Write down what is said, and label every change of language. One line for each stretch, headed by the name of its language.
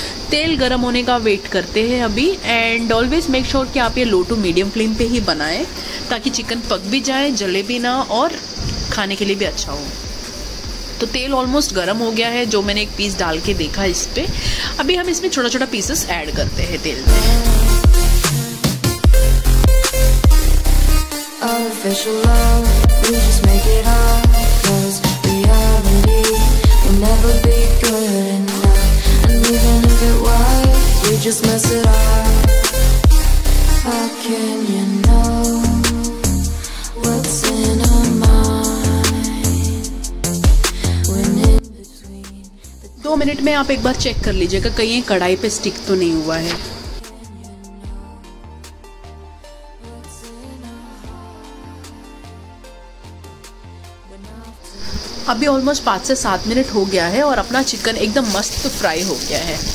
Hindi: तेल गर्म होने का वेट करते हैं अभी।
English: and always make sure
Hindi: कि आप ये लो टू मीडियम फ्लेम पे ही बनाएं, ताकि चिकन पक भी जाए, जले भी ना और खाने के लिए भी अच्छा हो। तो तेल ऑलमोस्ट गर्म हो गया है, जो मैंने एक पीस डाल के देखा इस पर। अभी हम इसमें छोटा छोटा पीसेस ऐड करते हैं तेल में।
English: Artificial love, we just make it hard, cause reality will never be good enough. And even if it was, we just mess it up. How can you know what's in our mind when in between?
Hindi: 2 minute में आप एक बार check कर लीजिएगा, कहीं कढ़ाई पे stick तो नहीं हुआ है। अभी ऑलमोस्ट 5 से 7 मिनट हो गया है और अपना चिकन एकदम मस्त फ्राई हो गया है।